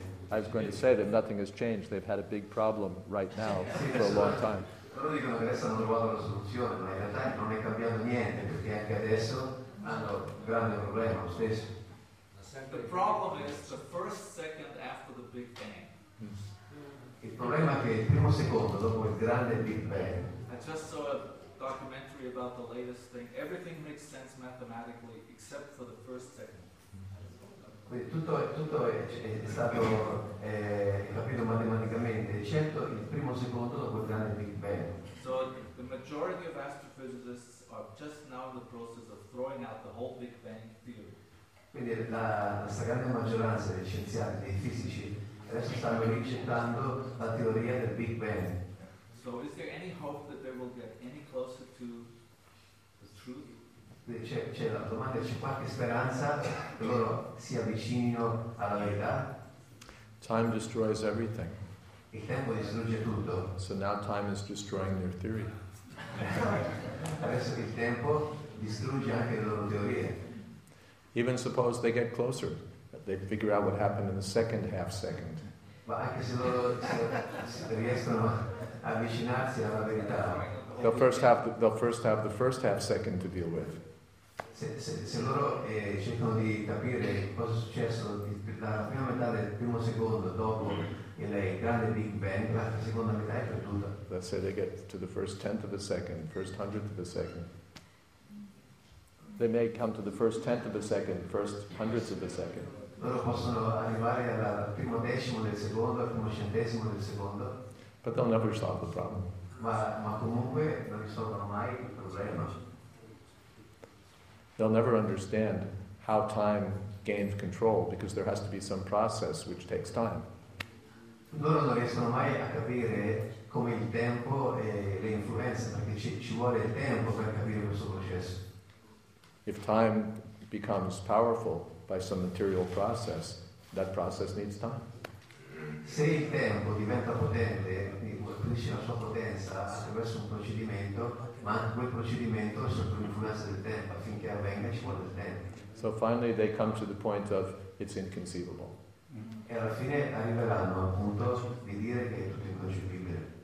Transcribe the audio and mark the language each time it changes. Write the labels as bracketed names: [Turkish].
[English] I was going to say that nothing has changed. They've had a big problem right now for a long time. The problem is the first second after the Big Bang. [Italian] Il problema è che il primo secondo dopo il grande Big Bang. [English] I just saw a documentary about the latest thing. Everything makes sense mathematically except for the first second. [Italian] Tutto è stato capito matematicamente, eccetto il primo secondo dopo il grande Big Bang. [English] So the majority of astrophysicists are just now in the process of throwing out the whole Big Bang theory. [Italian] Quindi la stragrande maggioranza dei scienziati, dei fisici, adesso stanno rigettando la teoria del Big Bang. [English] So is there any hope that they will get any closer to the truth? [Italian] C'è la domanda, c'è qualche speranza che loro si avvicinino alla verità? [English] Time destroys everything. [Italian] Il tempo distrugge tutto. [English] So now time is destroying their theory. [Italian] Adesso il tempo distrugge anche le loro teorie. [English] Even suppose they get closer, they figure out what happened in the second half second. [Italian] Ma anche se loro riescono a avvicinarsi alla verità. [English] They'll first have the first half second to deal with. [Italian] Se loro cercano di capire cosa è successo la prima metà del primo secondo dopo il grande Big Bang, la seconda metà è perduta. [English] Let's say they get to the first tenth of a second, first hundredth of a second. They may come to the first tenth of a second, first hundredths of a second. [Italian] Loro possono arrivare al primo decimo del secondo, al primo centesimo del secondo. [English] But they'll never solve the problem. [Italian] Ma comunque non risolvono mai il problema. [English] They'll never understand how time gains control because there has to be some process which takes time. [Italian] Loro non riescono mai a capire come il tempo e le influenze, perché ci vuole il tempo per capire questo processo. [English] If time becomes powerful by some material process, that process needs time. [Italian] Se il tempo diventa potente, acquisisce la sua potenza attraverso un procedimento, ma quel procedimento è sotto l'influenza del tempo, affinché avvenga ci vuole tempo. [English] So finally they come to the point of it's inconceivable. [Italian] E alla fine arriveranno al punto di dire che è tutto inconcepibile.